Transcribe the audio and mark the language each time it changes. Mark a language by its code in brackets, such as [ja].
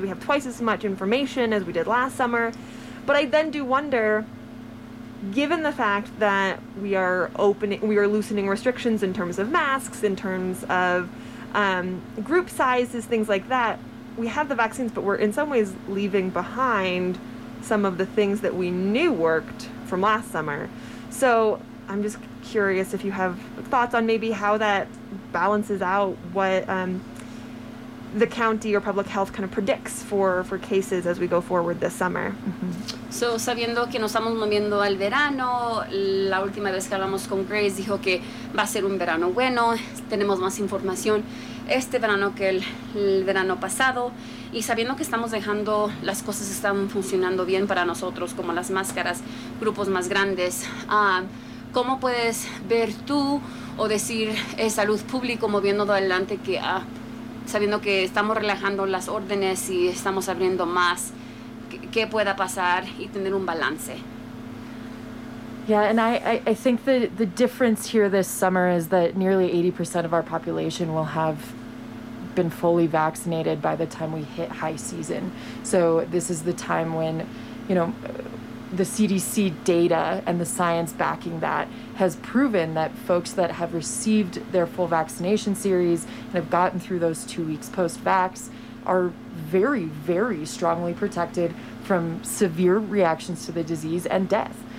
[en] We have twice as much information as we did last summer. But I then do wonder, given the fact that we are loosening restrictions in terms of masks, in terms of group sizes, things like that, we have the vaccines, but we're in some ways leaving behind some of the things that we knew worked from last summer. So I'm just curious if you have thoughts on maybe how that balances out what the county or public health kind of predicts for cases as we go forward this summer. Mm-hmm. [es] So sabiendo que nos estamos moviendo al verano, la última vez que hablamos con Grace dijo que va a ser un verano bueno, tenemos más información este verano que el verano pasado, y sabiendo que estamos dejando las cosas están funcionando bien para nosotros, como las máscaras, grupos más grandes, ¿cómo puedes ver tú o decir salud pública moviendo adelante que sabiendo que estamos relajando las órdenes y estamos abriendo más, qué pueda pasar y tener un balance? [en] Yeah, and I think the difference here this summer is that nearly 80% of our population will have been fully vaccinated by the time we hit high season. So this is the time when, you know, the CDC data and the science backing that has proven that folks that have received their full vaccination series and have gotten through those 2 weeks post-vax are very, very strongly protected from severe reactions to the disease and death.